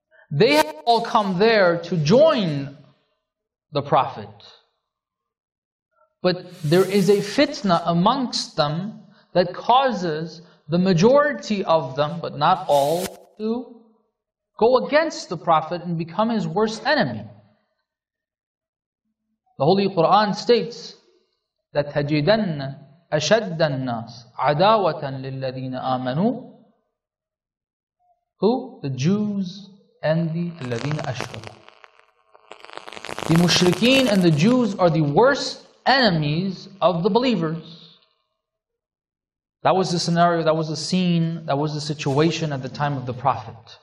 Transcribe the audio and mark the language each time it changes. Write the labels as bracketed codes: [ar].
[en] They have all come there to join the Prophet. But there is a fitna amongst them that causes the majority of them, but not all, to go against the Prophet and become his worst enemy. The Holy Quran states that [ar] تَجِدَنَّ أَشَدَّ النَّاسِ عَدَاوَةً لِلَّذِينَ آمَنُوا. [en] Who? The Jews and the [ar] الَّذِينَ أَشْرَكُوا. [en] The mushrikeen and the Jews are the worst enemies of the believers. That was the scenario, that was the scene, that was the situation at the time of the Prophet.